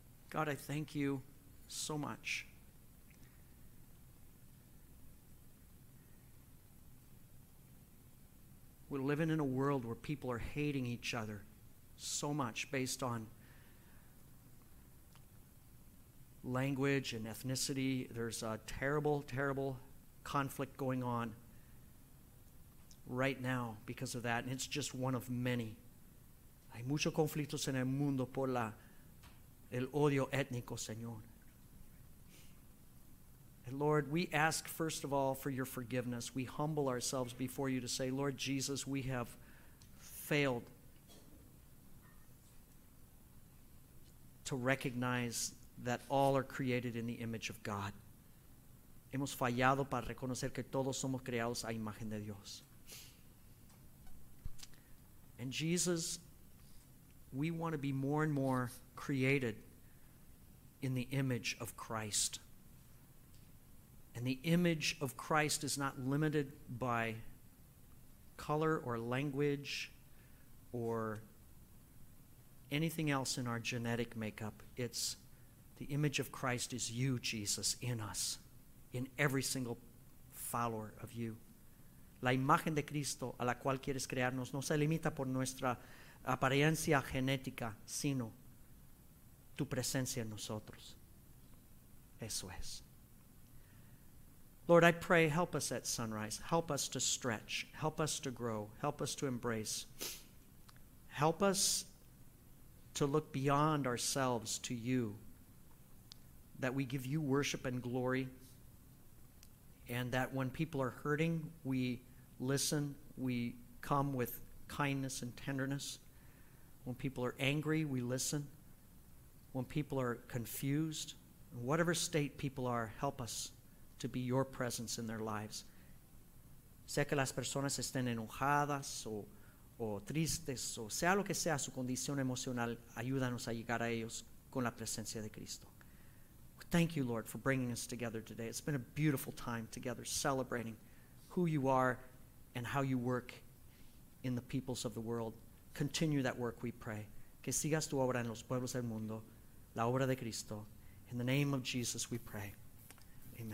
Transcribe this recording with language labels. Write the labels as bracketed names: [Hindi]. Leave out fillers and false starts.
[English] God, I thank you so much we're living in a world where people are hating each other so much based on language and ethnicity. There's a terrible, terrible conflict going on right now because of that, and it's just one of many. [Spanish] Hay muchos conflictos en el mundo por el odio étnico, Señor. [English] And Lord, we ask first of all for your forgiveness. We humble ourselves before you to say, Lord Jesus, we have failed to recognize that all are created in the image of God. [Spanish] Hemos fallado para reconocer que todos somos creados a imagen de Dios. [English] And Jesus, we want to be more and more created in the image of Christ. And the image of Christ is not limited by color or language or anything else in our genetic makeup. It's the image of Christ is you, Jesus, in us, in every single follower of you. [Spanish] La imagen de Cristo a la cual quieres crearnos no se limita por nuestra apariencia genética, sino tu presencia en nosotros. Eso es. [English] Lord, I pray, help us at sunrise. Help us to stretch. Help us to grow. Help us to embrace. Help us to look beyond ourselves to you, that we give you worship and glory, and that when people are hurting, we listen, we come with kindness and tenderness. When people are angry, we listen. When people are confused, whatever state people are, help us to be your presence in their lives. [Spanish] Sea que las personas estén enojadas o tristes, o sea lo que sea su condición emocional, ayúdanos a llegar a ellos con la presencia de Cristo. [English] Thank you, Lord, for bringing us together today. It's been a beautiful time together celebrating who you are and how you work in the peoples of the world. Continue that work, we pray. [Spanish] Que sigas tu obra en los pueblos del mundo, la obra de Cristo. [English] In the name of Jesus, we pray. Amen.